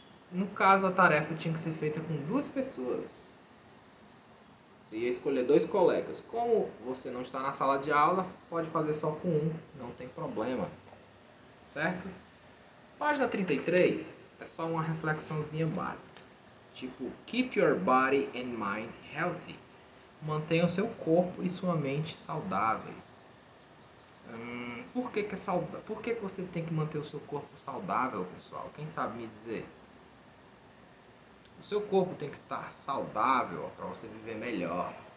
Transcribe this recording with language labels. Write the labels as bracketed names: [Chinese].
[Portuguese] No caso, a tarefa tinha que ser feita com duas pessoas. Você ia escolher dois colegas. Como você não está na sala de aula, pode fazer só com um, não tem problema. Certo? Página 33 é só uma reflexãozinha básica. Tipo, [English] keep your body and mind healthy. [Portuguese] Mantenha o seu corpo e sua mente saudáveis. Por que que é saudável? Por que que você tem que manter o seu corpo saudável, pessoal? Quem sabe me dizer? O seu corpo tem que estar saudável para você viver melhor.